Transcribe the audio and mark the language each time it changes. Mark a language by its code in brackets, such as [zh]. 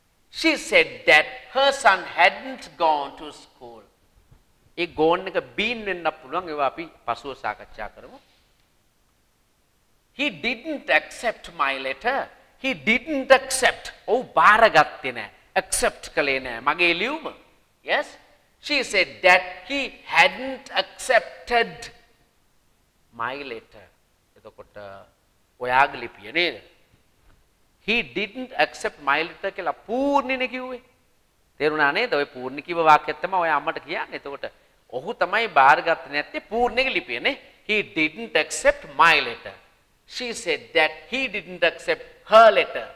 [en] She said that her son hadn't gone to school. [si] ඒ ගෝන් එක බීන් වෙන්න පුළුවන් ඒවා අපි පසුව සාකච්ඡා කරමු. [en] He didn't accept my letter. He didn't accept. [si] ඔව් බාර ගත්තේ නෑ. Accept කළේ නෑ මගේ ලියුම. Yes. [en] She said that he hadn't accepted my letter. [si] එතකොට ඔයාගේ ලිපිය නේද? [en] He didn't accept my letter [si] කියලා පූර්ණිනේ කිව්වේ. තේරුණා නේද? ඔය පූර්ණි කිව වාක්‍යය තමයි ඔය අම්මට කියන්නේ. එතකොට ඔහු තමයි බාරගත් නැත්තේ පූර්ණිගේ ලිපිය නේ. [en] He didn't accept my letter. She said that he didn't accept her letter.